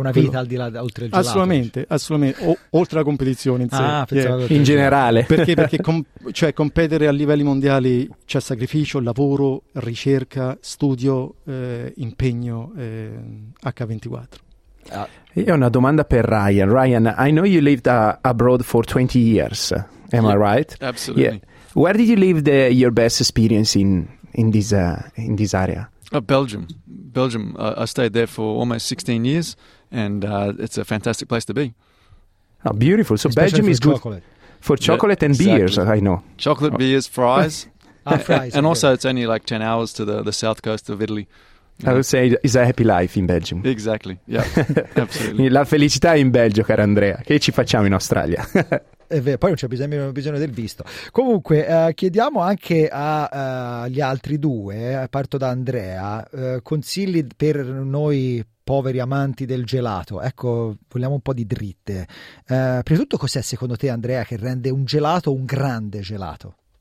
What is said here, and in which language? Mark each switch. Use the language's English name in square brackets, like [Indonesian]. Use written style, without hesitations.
[Italian] c'è una vita al di là, oltre il gelato, assolutamente oltre la competizione in sé, in generale, perché cioè competere a livelli mondiali c'è sacrificio, lavoro, ricerca, studio, impegno, H24. Io ho una domanda per Ryan. [English] Ryan, I know you lived abroad for 20 years, am I right? Absolutely. Yeah. Where did you live your best experience in this area? Belgium. I stayed there for almost 16 years, and it's a fantastic place to be. Oh, beautiful. So especially Belgium is good for chocolate and beers, I know. Chocolate, beers, fries. fries. And also it's only like 10 hours to the south coast of Italy. I would say it's a happy life in Belgium. Exactly, yeah, absolutely. [Italian] La felicità in Belgio, caro Andrea. Che ci facciamo in Australia? Poi non c'è bisogno del visto. Comunque, chiediamo anche agli altri due, parto da Andrea, consigli per noi poveri amanti del gelato. Ecco, vogliamo un po' di dritte. Prima di tutto, cos'è secondo te, Andrea, che rende un gelato un grande gelato?